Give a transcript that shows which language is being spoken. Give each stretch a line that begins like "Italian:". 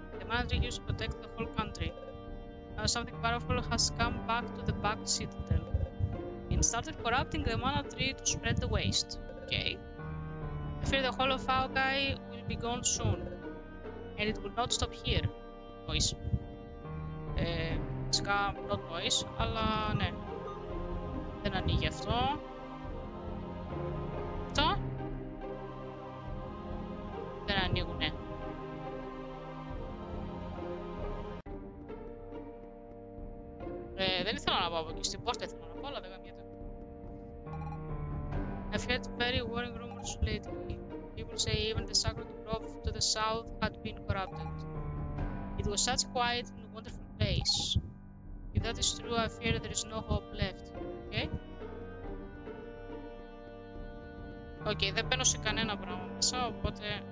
English: Mandri used to protect the whole country. Something powerful has come back to the back citadel. It started corrupting the mana tree to spread the waste. Okay. I fear the whole of Aogai will be gone soon. And it will not stop here. Noise.
Greek: Φυσικά,
English: not noise,
Greek: αλλά ναι. Δεν ανοίγει αυτό. Αυτό. Δεν ανοίγουνε. Δεν ήθελα να πάω από εκεί, στην πόρτα ήθελα να πάω, αλλά δεν καμιέται.
English: I've heard very worrying rumors lately. People say even the sacred grove to the south had been corrupted. It was such a quiet and wonderful place. If that is true, I fear there is no hope left. Okay?
Greek: Okay, δεν μπαίνω σε κανένα πράγμα μέσα, οπότε...